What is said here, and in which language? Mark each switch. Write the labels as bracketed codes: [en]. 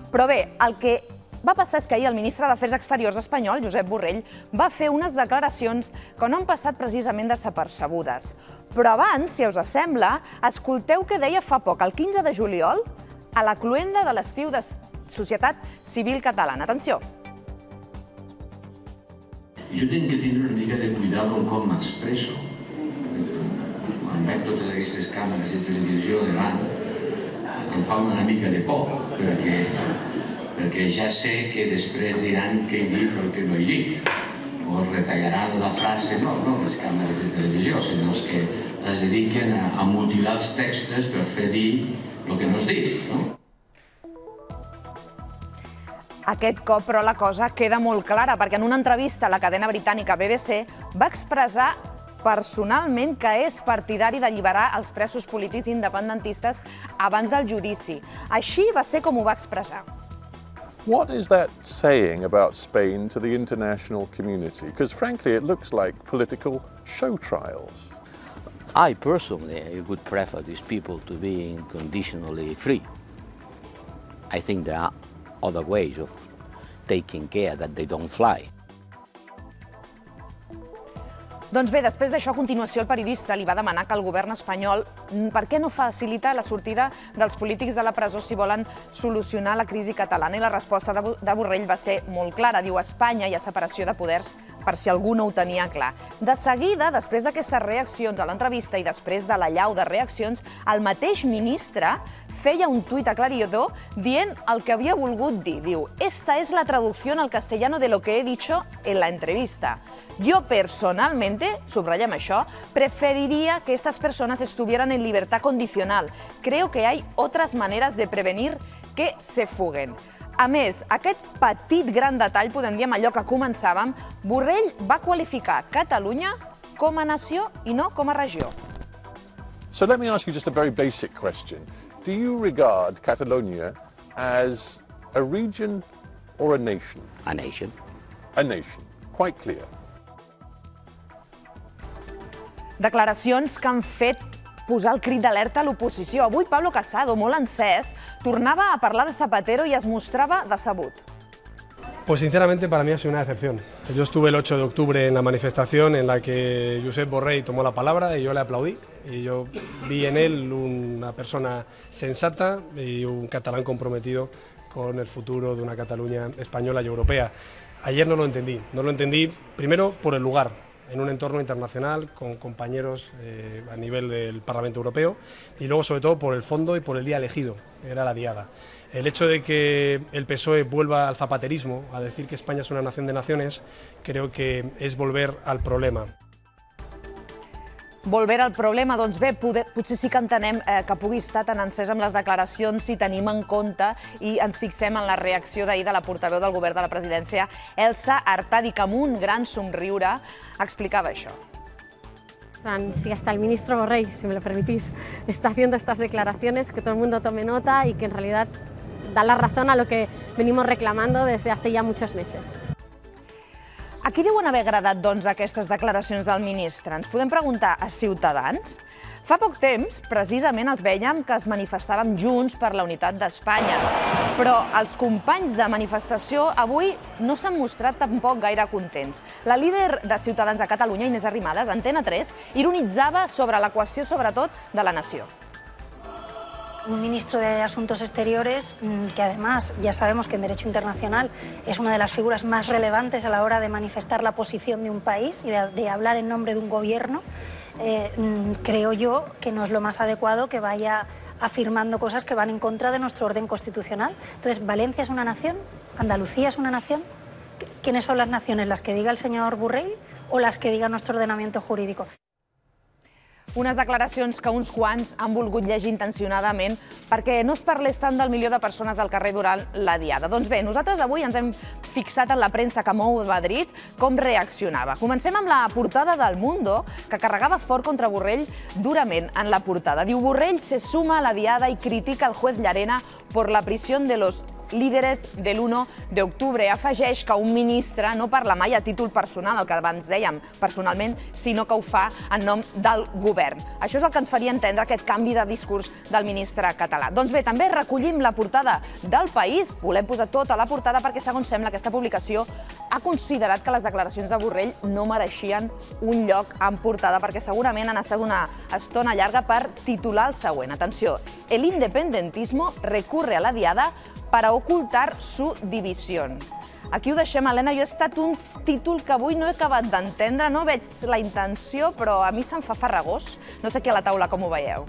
[ca] Però bé, el que va passar és que ahir el ministre d'Afers Exteriors espanyol, Josep Borrell, va fer unes declaracions que no han passat precisament desapercebudes. Però abans, si us sembla, escolteu què deia fa poc, el 15 de juliol, a la cloenda de l'estiu de Societat Civil Catalana. Atenció. [es] Yo tengo que tener [ca] una mica [es] de cuidado en cómo me expreso. [ca] Quan veig totes aquestes càmeres i televisió davant, em fa una mica de por, perquè ja sé que després diran què he dit o què no he dit, o retallaran la frase, no les càmeres de televisió, sinó els que es dediquen a mutilar els textos per fer dir el que no es diu. Aquest cop, però, la cosa queda molt clara, perquè en una entrevista a la cadena britànica BBC va expressar personalment que és partidari d'alliberar els presos polítics independentistes abans del judici. Així va ser com ho va expressar. [en] What is that saying about Spain to the international community? Because frankly, it looks like political show trials. I personally would prefer these people to be conditionally free. I think there are other ways of taking care that they don't fly. [ca] Doncs bé, després d'això, a continuació, el periodista li va demanar que el govern espanyol per què no facilita la sortida dels polítics de la presó si volen solucionar la crisi catalana. I la resposta de Borrell va ser molt clara. Diu, a Espanya hi ha separació de poders, per si algú no ho tenia clar. De seguida, després d'aquestes reaccions a l'entrevista i després de l'allau de reaccions, el mateix ministre feia un tuit aclaridor dient el que havia volgut dir. [es] Diu, esta es la traducción al castellano de lo que he dicho en la entrevista. Yo personalmente, [ca] subrayem això, [es] preferiría que estas personas estuvieran en libertad condicional. Creo que hay otras maneras de prevenir que se fuguen. [ca] A més, aquest petit gran detall, podem dir amb allò que començàvem, Borrell va qualificar Catalunya com a nació i no com a regió. [en] So let me ask you just a very basic question. Do you regard Catalonia as a region or a nation? A nation. A nation. Quite clear. [ca] Declaracions que han fet posar el crit d'alerta a l'oposició. Avui Pablo Casado, molt encès, tornava a parlar de Zapatero i es mostrava decebut. [es] Pues sinceramente para mí ha sido una decepción. Yo estuve el 8 de octubre en la manifestación en la que Josep Borrell tomó la palabra y yo le aplaudí. Y yo vi en él una persona sensata y un catalán comprometido con el futuro de una Cataluña española y europea. Ayer no lo entendí. No lo entendí primero por el lugar, en un entorno internacional con compañeros a nivel del Parlamento Europeo y luego sobre todo por el fondo y por el día elegido, era la Diada. El hecho de que el PSOE vuelva al zapaterismo, a decir que España es una nación de naciones, creo que es volver al problema. Volver al problema, [ca] doncs bé, potser sí que entenem que pugui estar tan encès amb les declaracions si tenim en compte i ens fixem en la reacció d'ahir de la portaveu del govern de la presidència, Elsa Artadi, que amb un gran somriure explicava això. [es] Sí, hasta el ministro Borrell, si me lo permitís, está haciendo estas declaraciones, que todo el mundo tome nota y que en realidad da la razón a lo que venimos reclamando desde hace ya muchos meses. [ca] A qui deuen haver agradat, doncs, aquestes declaracions del ministre? Ens podem preguntar a Ciutadans? Fa poc temps, precisament, els vèiem que es manifestàvem junts per la unitat d'Espanya. Però els companys de manifestació avui no s'han mostrat tampoc gaire contents. La líder de Ciutadans a Catalunya, Inés Arrimadas, Antena 3, ironitzava sobre la qüestió, sobretot, de la nació. [es] Un ministro de Asuntos Exteriores, que además ya sabemos que en derecho internacional es una de las figuras más relevantes a la hora de manifestar la posición de un país y de hablar en nombre de un gobierno, creo yo que no es lo más adecuado que vaya afirmando cosas que van en contra de nuestro orden constitucional. Entonces, ¿Valencia es una nación? ¿Andalucía es una nación? ¿Quiénes son las naciones? ¿Las que diga el señor Borrell o las que diga nuestro ordenamiento jurídico? [ca] Unes declaracions que uns quants han volgut llegir intencionadament perquè no es parlés tant del milió de persones al carrer durant la diada. Doncs bé, nosaltres avui ens hem fixat en la premsa que mou Madrid, com reaccionava. Comencem amb la portada del Mundo, que carregava fort contra Borrell durament en la portada. [es] Diu: Borrell se suma a la diada [ca] i critica [es] el juez Llarena por la prisión de los líderes [ca] de l'1 d'octubre. Afegeix que un ministre no parla mai a títol personal, el que abans dèiem personalment, sinó que ho fa en nom del govern. Això és el que ens faria entendre aquest canvi de discurs del ministre català. Doncs bé, també recollim la portada del País. Volem posar tota la portada perquè, segons sembla, aquesta publicació ha considerat que les declaracions de Borrell no mereixien un lloc en portada, perquè segurament han estat una estona llarga per titular el següent. [es] Atenció, el independentismo recurre a la diada para ocultar su división. [ca] Aquí ho deixem, Helena. Jo he estat un títol que avui no he acabat d'entendre, no veig la intenció, però a mi se'm fa farragós. No sé què a la taula com ho veieu.